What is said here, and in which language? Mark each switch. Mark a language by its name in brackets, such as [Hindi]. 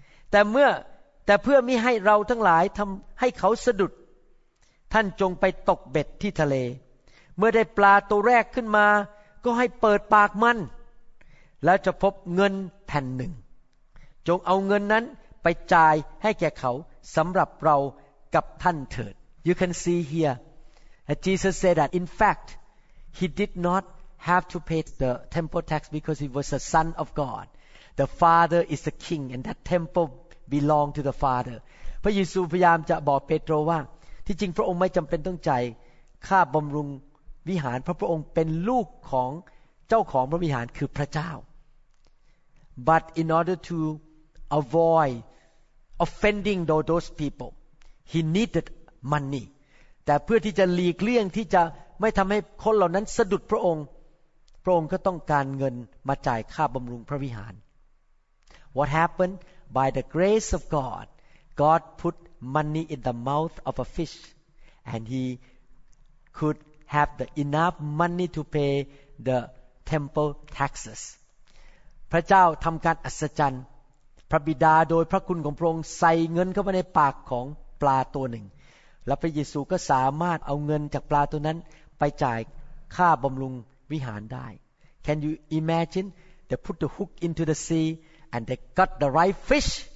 [Thai] แต่เพื่อมิให้เราทั้งหลายทำให้เขาสะดุดท่านจงไปตกเบ็ดที่ทะเลเมื่อได้ปลาตัวแรกขึ้นมาก็ให้เปิดปากมันแล้วจะพบเงินแผ่นหนึ่งจงเอาเงินนั้นไปจ่ายให้แก่เขาสำหรับเรากับท่านเถิด [English] You can see here And Jesus said that, in fact, he did not have to pay the temple tax because he was the Son of God. The Father is the King, and that temple belonged to the Father. [Thai] พระเยซูพยายามจะบอกเปโตรว่าที่จริงพระองค์ไม่จำเป็นต้องจ่ายค่าบำรุงวิหารเพราะพระองค์เป็นลูกของเจ้าของพระวิหารคือพระเจ้า [English] But in order to avoid offending those people, he needed money. [Thai] แต่เพื่อที่จะหลีกเลี่ยงที่จะไม่ทำให้คนเหล่านั้นสะดุดพระองค์พระองค์ก็ต้องการเงินมาจ่ายค่าบำรุงพระวิหาร [English] What happened? By the grace of God, God put money in the mouth of a fish and he could have the enough money to pay the temple taxes. [Thai] พระเจ้าทำการอัศจรรย์พระบิดาโดยพระคุณของพระองค์ใส่เงินเข้าไปในปากของปลาตัวหนึ่งแล้วพระเยซูก็สามารถเอาเงินจากปลาตัวนั้นไปจ่ายค่าบำรุงวิหารได้ [English] Can you imagine they put the hook into the sea and they got the right fish